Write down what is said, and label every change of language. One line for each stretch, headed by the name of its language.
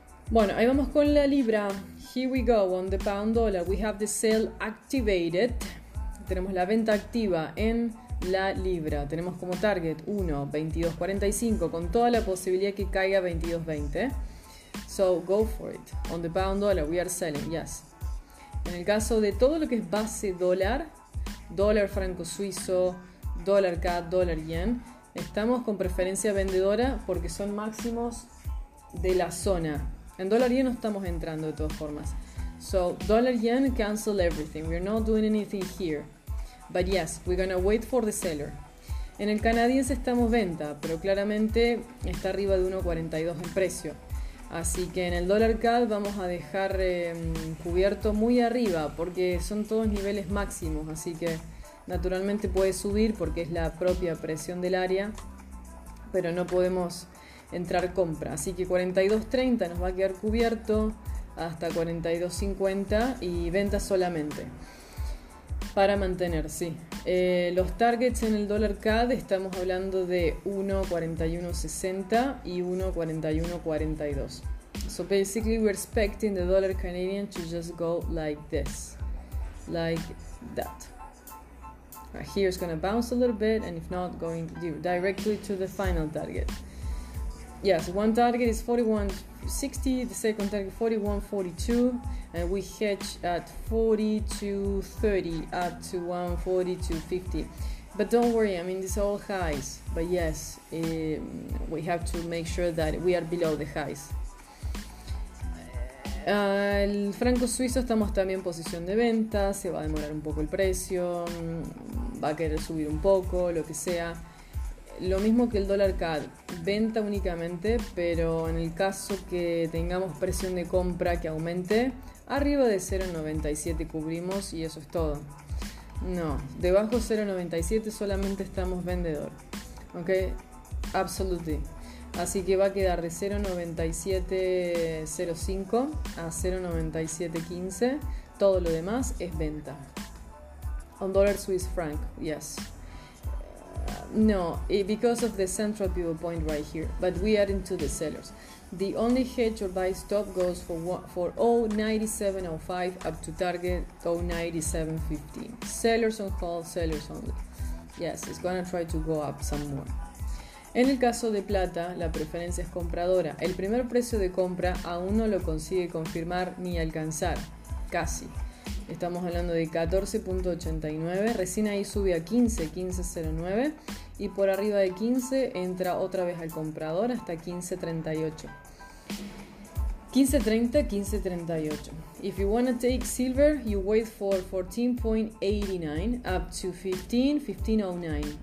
Spanish: Bueno, ahí vamos con la libra.
English: Here we go on the pound dollar. We have the sell activated.
Spanish: Tenemos la venta activa en la libra. Tenemos como target 1.2245 con toda la posibilidad que caiga 22.20.
English: So go for it. On the pound dollar, we are selling, yes.
Spanish: En el caso de todo lo que es base dólar, dólar franco suizo, dólar CAD, dólar yen, estamos con preferencia vendedora porque son máximos de la zona. En dólar yen no estamos entrando de todas formas.
English: So dólar yen, cancel everything. We're not doing anything here. But yes, we're gonna wait for the seller.
Spanish: En el canadiense estamos venta, pero claramente está arriba de 1.42 en precio. Así que en el dólar CAD vamos a dejar cubierto muy arriba, porque son todos niveles máximos. Así que naturalmente puede subir porque es la propia presión del área, pero no podemos entrar compra. Así que 42.30 nos va a quedar cubierto hasta 42.50 y venta solamente. Para mantener, sí. Los targets en el dólar CAD estamos hablando de 1.4160 y 1.4142.
English: So basically we're expecting the dollar Canadian to just go like this. Like that. Right here it's gonna bounce a little bit and if not going directly to the final target. Yes, one target is 41.60, the second target 41.42, and we hedge at 42.30 up to 142.50. But don't worry, I mean, it's all highs, but yes, we have to make sure that we are below the highs.
Spanish: El franco suizo estamos también en posición de venta, se va a demorar un poco el precio, va a querer subir un poco, lo que sea. Lo mismo que el dólar CAD, venta únicamente, pero en el caso que tengamos presión de compra que aumente, arriba de 0.97 cubrimos y eso es todo. No, debajo de 0.97 solamente estamos vendedor. ¿Ok?
English: Absolutely.
Spanish: Así que va a quedar de 0.9705 a 0.9715. Todo lo demás es venta.
English: On dollar Swiss franc, yes. No, because of the central pivot point right here, but we are into the sellers. The only hedge or buy stop goes for 0.9705 up to target 0.9715. Sellers on call, sellers only. Yes, it's gonna try to go up some more.
Spanish: En el caso de plata, la preferencia es compradora. El primer precio de compra aún no lo consigue confirmar ni alcanzar, casi. Estamos hablando de 14.89, recién ahí sube a 15.09 y por arriba de 15 entra otra vez al comprador hasta 15.38. 15.30, 15.38.
English: If you want to take silver, you wait for 14.89 up to 15.09.